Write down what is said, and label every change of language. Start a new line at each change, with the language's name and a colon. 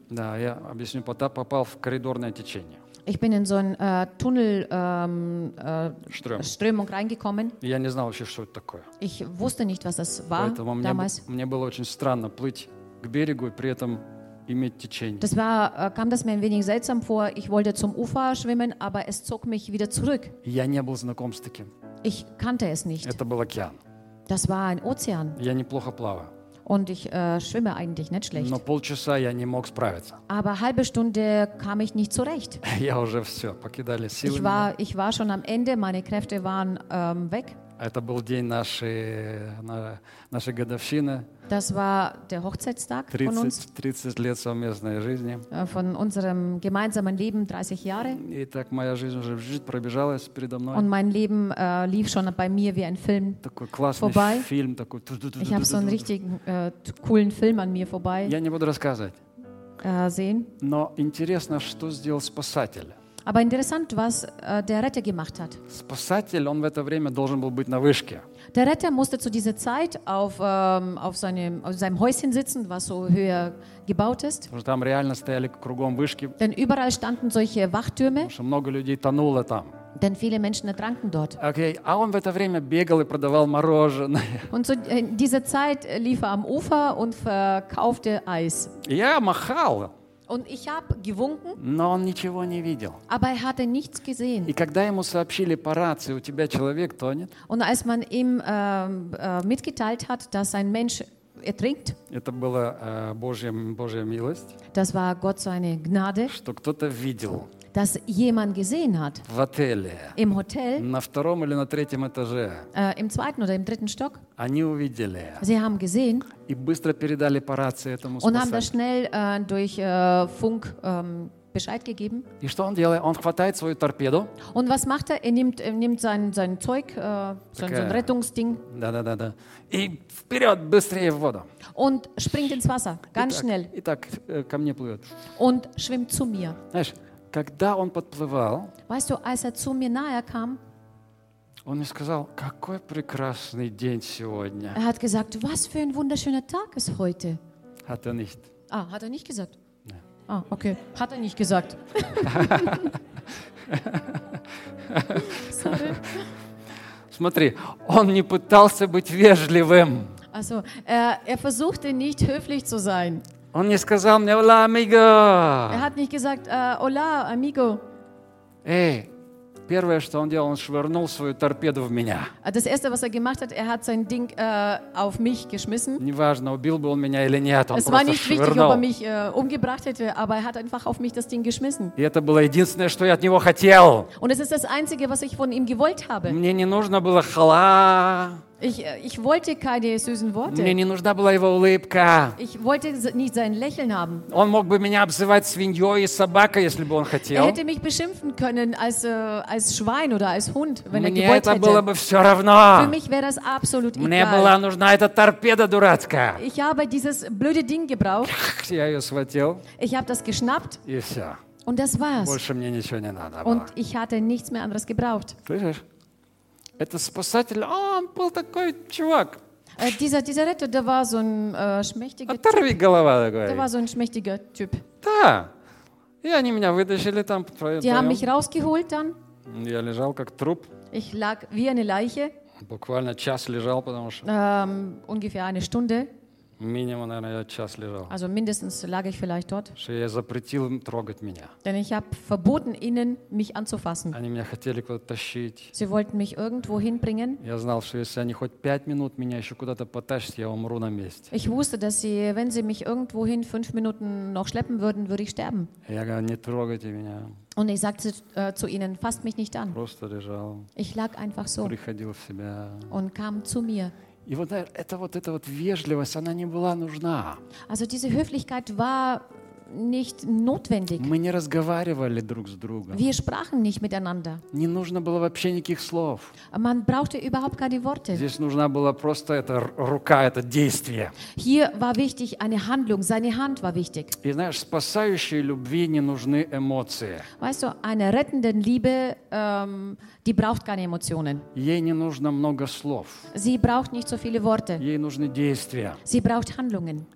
Russian: да, я объясню, попал в коридорное течение.
German: Ich bin in so einen Tunnelströmung reingekommen.
Russian: Я не знал вообще, что это такое.
German: Ich wusste nicht, was das war
Russian: Поэтому
German: damals.
Russian: Мне было очень странно плыть к берегу и при этом иметь течение.
German: Das war, kam das mir ein wenig seltsam vor. Ich wollte zum Ufer schwimmen, aber es zog mich wieder zurück.
Russian: Я не был знаком с таким.
German: Ich kannte es nicht.
Russian: Это был океан.
German: Das war ein Ozean.
Russian: Я неплохо плаваю.
German: Und ich schwimme eigentlich nicht schlecht.
Russian: Но полчаса я не мог справиться.
German: Aber halbe Stunde kam ich nicht zurecht.
Russian: Я уже все, покидали силы.
German: Ich war schon am Ende, meine Kräfte waren weg.
Russian: Это был день нашей годовщины.
German: Das war der Hochzeitstag 30, von uns.
Russian: 30 лет совместной жизни.
German: Von unserem gemeinsamen Leben, 30 Jahre.
Russian: И так моя жизнь уже пробежалась передо мной.
German: Und mein Leben lief schon bei mir wie ein Film vorbei.
Russian: Такой классный фильм. Такой.
German: Ich habe so einen richtig coolen Film an mir vorbei.
Russian: Я не буду рассказывать.
German: Sehen.
Russian: Но интересно, что сделал Спасатель.
German: Aber interessant, was der Retter gemacht hat.
Russian: Спасатель, он в это время должен был быть на вышке.
German: Der Retter musste zu dieser Zeit auf seinem Häuschen sitzen, was so höher gebaut ist.
Russian: Потому что там реально стояли кругом вышки.
German: Denn überall standen solche Wachtürme.
Russian: Потому что много людей тонуло там.
German: Denn viele Menschen ertranken dort.
English: Okay,
Russian: а он в это время бегал и продавал мороженое.
German: Und zu dieser Zeit lief er am Ufer und verkaufte Eis.
Russian: Я махал.
German: Und ich habe gewunken.
Russian: Но он ничего не видел.
German: Aber er hatte nichts gesehen.
Russian: И когда ему сообщили по рации, у тебя человек тонет.
German: Und als man ihm mitgeteilt hat, dass ein Mensch ertrinkt.
Russian: Это была Божья милость.
German: Das war Gott seine Gnade.
Russian: Что кто-то видел.
German: Dass jemand gesehen hat.
Russian: В отеле.
German: Im Hotel.
Russian: На втором или на третьем этаже.
German: Im zweiten oder im dritten Stock.
Russian: Они увидели.
German: Sie haben gesehen.
Russian: И быстро передали по рации этому Спасателю.
German: Und haben das schnell durch Funk Bescheid gegeben.
Russian: И что он делает? Он хватает свою торпеду.
German: Und was macht er? Er nimmt sein Zeug, sein Rettungsding.
Russian: Да. И вперед, быстрее в воду.
German: Und springt ins Wasser, ganz schnell.
Russian: Итак, ко мне плывет.
German: Und schwimmt zu mir.
Russian: Знаешь, когда он подплывал,
German: weißt du, als er zu mir nahe kam,
Russian: он мне сказал, какой прекрасный день сегодня.
German: Er hat gesagt, was für ein wunderschöner Tag ist heute. Hat er nicht. Ah, hat er nicht gesagt? Nein. Ah, okay. Hat er nicht gesagt.
Russian: Смотри, он не пытался быть вежливым.
German: Also, er versuchte nicht höflich zu sein.
Russian: Он не сказал мне,
Spanish: hola, amigo.
German: Er hat nicht gesagt,
Spanish: hola, amigo. Эй.
Russian: Первое, что он делал, он швырнул свою торпеду в меня.
German: Das erste, was er gemacht hat, er hat sein Ding auf mich geschmissen.
Russian: Неважно, убил бы он меня или нет, он просто швырнул.
German: Es war nicht wichtig, ob er mich umgebracht hätte, aber er hat einfach auf mich das Ding geschmissen.
Russian: И это было единственное, что я от него хотел.
German: Und es ist das einzige, was ich von ihm gewollt habe.
Russian: Мне не нужно было хала.
German: Ich wollte keine süßen Worte.
Russian: Мне не нужна была его улыбка.
German: Ich wollte nicht sein Lächeln haben.
Russian: Он мог бы меня обзывать свиньей и собакой, если бы он хотел.
German: Er hätte mich beschimpfen können als Schwein oder als Hund, wenn
Russian: мне
German: er gewollt hätte.
Russian: Мне это было бы все равно.
German: Für mich wäre das absolut egal.
Russian: Мне была нужна эта торпеда дурацкая.
German: Ich habe dieses blöde Ding gebraucht.
Russian: Я ее схватил.
German: Ich habe das geschnappt.
Russian: И все.
German: Und das war's.
Russian: Больше мне ничего не надо было.
German: Und ich hatte nichts mehr anderes gebraucht.
Russian: Слышишь? Это спасатель, а он был такой чувак.
German: Dieser Retter, der war so ein schmächtiger Typ.
Russian: Оторви голова, говорит.
German: Der war so ein schmächtiger Typ.
Russian: Да. И они меня вытащили там.
German: Die haben mich rausgeholt dann.
Russian: Я лежал как труп.
German: Ich lag wie eine Leiche.
Russian: Буквально час лежал, потому что.
German: Ungefähr eine Stunde.
Russian: Минимум, наверное, я час лежал.
German: Also mindestens lag ich vielleicht dort.
Russian: Что я запретил им трогать меня.
German: Denn ich habe verboten ihnen, mich anzufassen.
Russian: Они меня хотели куда-то тащить.
German: Sie wollten mich irgendwo hinbringen.
Russian: Я знал, что если они хоть 5 минут меня еще куда-то потащат, я умру на месте.
German: Ich wusste, dass sie, wenn sie mich irgendwohin 5 Minuten noch schleppen würden, würde ich sterben.
Russian: Я говорю, не трогайте меня.
German: Und ich sagte zu ihnen, fasst mich nicht an.
Russian: Просто лежал.
German: Ich lag einfach so.
Russian: Приходил в себя.
German: Und kam zu mir.
Russian: И вот эта вежливость, она не была нужна.
German: Also diese Höflichkeit war nicht notwendig.
Russian: Мы не разговаривали друг с другом.
German: Wir sprachen nicht miteinander.
Russian: Не нужно было вообще никаких слов.
German: Man brauchte überhaupt keine Worte.
Russian: Здесь нужна была просто эта рука, это действие.
German: Hier war wichtig eine Handlung, seine Hand war wichtig.
Russian: И знаешь, спасающей любви не нужны эмоции.
German: Weißt du, einer rettenden Liebe, die braucht keine Emotionen.
Russian: Ей не нужно много слов.
German: Sie braucht nicht so viele Worte.
Russian: Ей нужны действия.
German: Sie braucht Handlungen.